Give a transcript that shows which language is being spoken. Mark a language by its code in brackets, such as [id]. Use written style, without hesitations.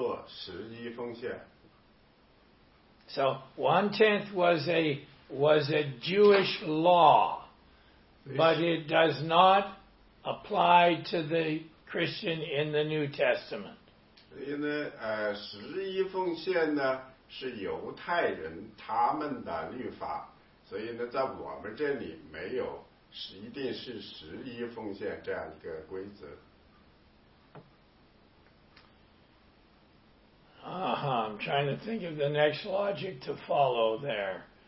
[zh] 所以他说你说的是对的，就是你要有一颗高高兴兴的喜乐的奉献。你在新约里找不到任何一个地方说你一定要做十一奉献。 [en] So one-tenth was a Jewish law, but it does not applied to the Christian in the New Testament. [zh] 所以呢，十一奉献呢是犹太人他们的律法，所以呢，在我们这里没有一定是十一奉献这样一个规则。 [en] I'm trying to think of the next logic to follow there.